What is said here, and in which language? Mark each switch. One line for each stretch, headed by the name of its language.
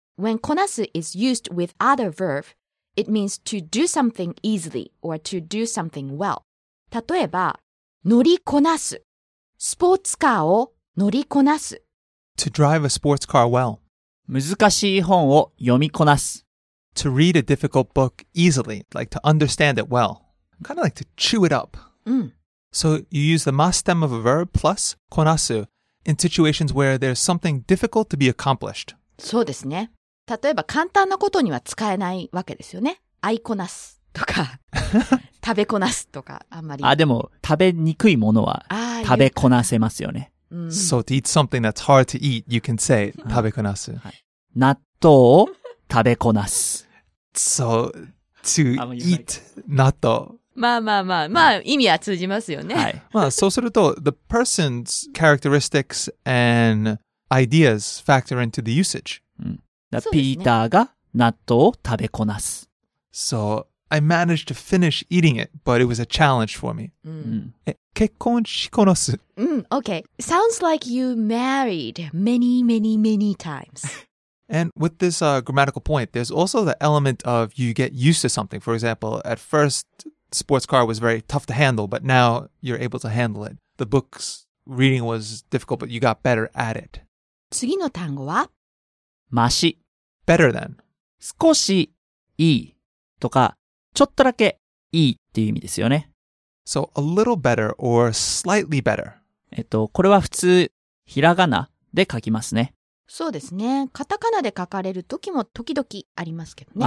English: When こなす is used with other verb, it means to do something easily or to do something well.
Japanese: 例えば、乗りこなす。スポーツカーを乗りこなす。
English: to drive a sports car well. 難しい本を読みこなす。 to read a difficult book easily, like to understand it well. kind of like to chew it up.
Japanese: うん。
English: So you use the masu stem of a verb plus konasu in situations where there's something difficult to be accomplished.
Japanese: そうですね。例えば簡単なことには使えないわけですよね。愛こなすとか、食べこなすとか、あんまり。あ、でも食べにくいものは食べこなせますよね。
English: So to eat something that's hard to eat, you can say 食べこなす。
Japanese: 納豆を食べこなす。
English: So to eat 納豆。
Japanese: まあまあまあ、まあ意味は通じますよね。はい。まあそうすると、
English: the person's characteristics and ideas factor into the usage.
Japanese: うん。だからピーターが納豆を食べこなす。
English: So, I managed to finish eating it, but it was a challenge for me.
Japanese: うん。え、結婚しこなす。うん、okay.
English: Sounds like you married many, many, many times. And with this, grammatical point, there's also the element of you get used to something. For example, at first,Sports car was very tough to handle, but now you're able to handle it. The book's reading was difficult, but you got better at it.
Japanese: 次の単語は、マシ。
English: Better than.
Japanese: 少しいいとか、ちょっとだけいいっていう意味ですよね。
English: So, a little better or slightly better.
Japanese: これは普通、ひらがなで書きますね。そうですね。カタカナで書かれる時も時々ありますけどね。